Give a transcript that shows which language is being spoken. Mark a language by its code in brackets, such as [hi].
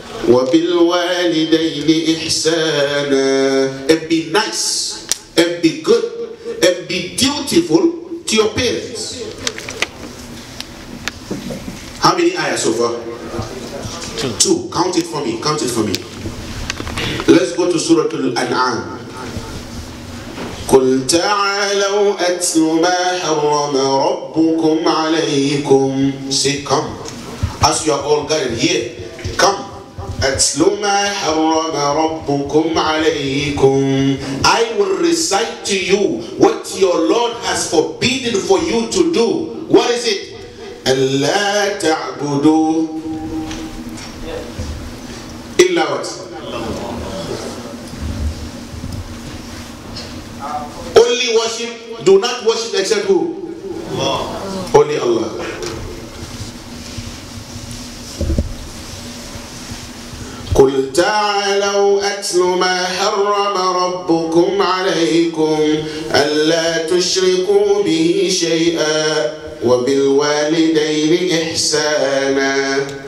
[ar] وَبِالْوَالِدَيْنِ إِحْسَانًا. [en] And be nice and be good and be dutiful to your parents. How many ayahs so far? Two. Count it for me, count it for me. Let's go to Surah Al-An'am. [ar] قل تعالوا أتل ما حرم ربكم عليكم. [en] Say come. As you are all gathered here, come. [ar] أتل ما حرم ربكم عليكم. [en] I will recite to you what your Lord has forbidden for you to do. What is it? [ar] ألا تعبدوا إلا [en] what? Only worship, do not worship except who? Allah. Only Allah. [ar] قُلْ تَعَالَوْا أَتْلُ مَا حَرَّمَ رَبُّكُمْ عَلَيْكُمْ أَلَّا تُشْرِكُوا بِهِ شَيْئًا وَبِالْوَالِدَيْنِ إِحْسَانًا.